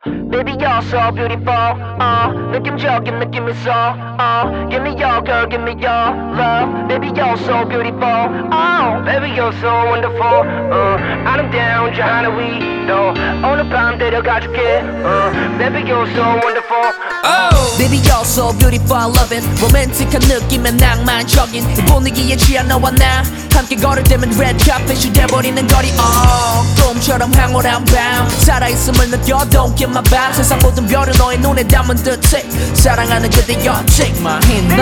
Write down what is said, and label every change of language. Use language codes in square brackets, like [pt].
[en] Baby, you're so beautiful. [ko] 느낌적인 느낌 있어. [en] Give me your girl, give me your love. Baby, you're so beautiful. Baby, you're so wonderful. [ko] 아름다운 저 하늘 위 너 오늘 밤 데려가줄게. [en] Baby, you're so wonderful. Baby, you're so beautiful. I love it. [ko] 로맨틱한 느낌의 낭만적인 이 분위기에 취한 너와 나 함께 걸을 때면 red carpet 슈대버리는 거리. 꿈처럼 황홀한 밤 살아있음을 느껴. [en] Don't get my vibe. [ko] 세상 모든 별을 너의 눈에 담은 듯해 사랑하는 그대여 [en] take my hand.